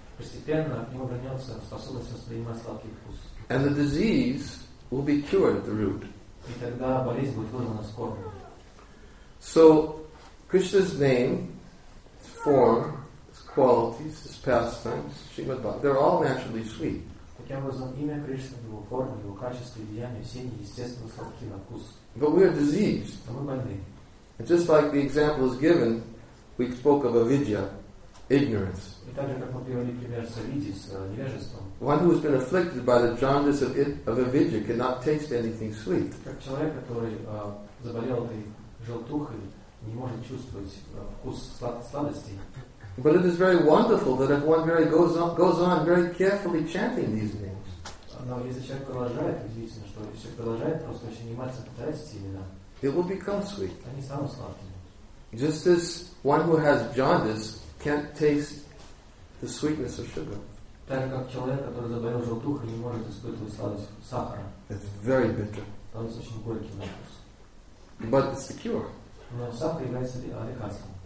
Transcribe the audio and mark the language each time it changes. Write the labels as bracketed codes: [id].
[ru] Постепенно к нему вернется способность воспринимать сладкий вкус. [en] And the disease will be cured at the root. [ru] И тогда болезнь будет вызвана с корнем. [en] So, Krishna's name, his form, his qualities, his pastimes, Srimad Bhagavatam, they're all naturally sweet. [ru] Таким образом, имя Кришны, его форма, его качество и деяния, все неестественно сладки на вкус. [en] But we are diseased. [ru] Но мы больны. [en] And just like the example is given, we spoke of avidya, ignorance. [ru] И так же, как мы привели пример с авидьей, с невежеством. [en] One who has been afflicted by the jaundice of avidya cannot taste anything sweet. [ru] Как человек, который заболел этой желтухой, не может чувствовать вкус сладости. [en] But it is very wonderful that if one very goes on very carefully chanting these names. [ru] Но если человек продолжает, удивительно, что если человек продолжает просто очень внимательно повторять эти имена, [en] it will become sweet. [ru] Они станут сладкими. [en] Just as one who has jaundice can't taste the sweetness of sugar. [ru] Так же, как человек, который заболел желтухой, не может испытывать сладость сахара. [en] It's very bitter. [ru] Он очень горький на вкус. [en] But it's the cure. [ru] Но сахар является лекарством.